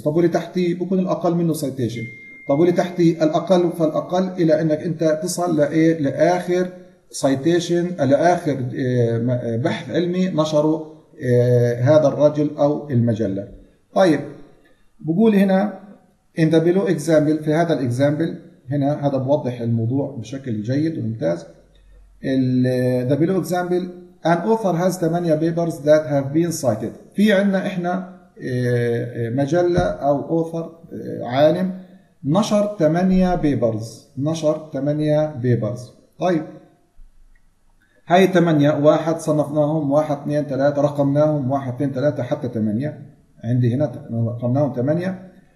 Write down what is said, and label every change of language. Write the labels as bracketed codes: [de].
[ar] طب واللي تحتي بيكون الاقل منه سيتيشن. طب واللي تحتي الاقل فالاقل الى انك انت تصل لايه؟ لاخر سيتيشن، لاخر بحث علمي نشره هذا الرجل أو المجلة. طيب بقول هنا [en] in the below example، [ar] في هذا الإكزامبل هنا هذا بوضح الموضوع بشكل جيد وممتاز. [en] The below example an author has 8 papers that have been cited. [ar] في عنا إحنا مجلة أو author عالم نشر 8 papers، نشر 8 papers. طيب هاي 8 واحد صنفناهم 1 2 3 رقمناهم 1 2 3 حتى 8 عندي هنا رقمناهم 8.